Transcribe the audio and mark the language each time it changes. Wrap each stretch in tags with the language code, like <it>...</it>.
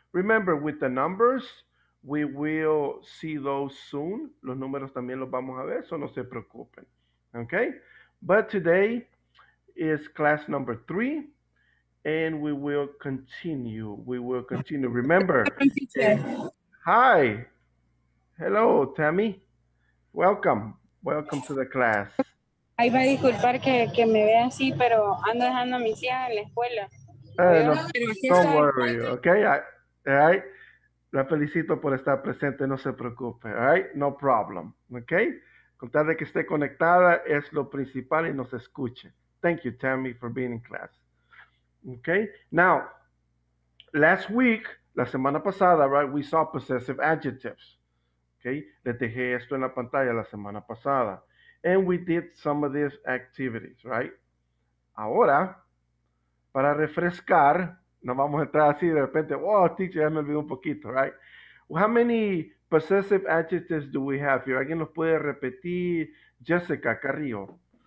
<en>Remember, with the numbers, we will see those soon.</en> <es>Los números también los vamos a ver, so no se preocupen.</es> <en>Okay? But today is class number 3, and we will continue. We will continue. Remember. Hi. Hello, Tammy. Welcome. Welcome to the class.</en> <es>Ahí va a disculpar que me vea así, pero ando dejando a mis hijas en la escuela.</es> <en>No, don't worry, okay? All right?</en> <es>La felicito por estar presente, no se preocupe,</es> <en>all right? No problem, okay?</en> <es>Con tal de que esté conectada es lo principal y nos escuche.</es> <en>Thank you, Tammy, for being in class. Okay? Now, last week,</en> <es>la semana pasada,</es> <en>right, we saw possessive adjectives, okay?</en> <es>Les dejé esto en la pantalla la semana pasada.</es> <en>And we did some of these activities, right?</en> <es>Ahora, para refrescar, no vamos a entrar así de repente, oh, teacher, ya me olvidé un poquito, right?</es> <en>Well, how many possessive adjectives do we have here?</en> <es>¿Alguien nos puede repetir? Jessica Carrillo.</es>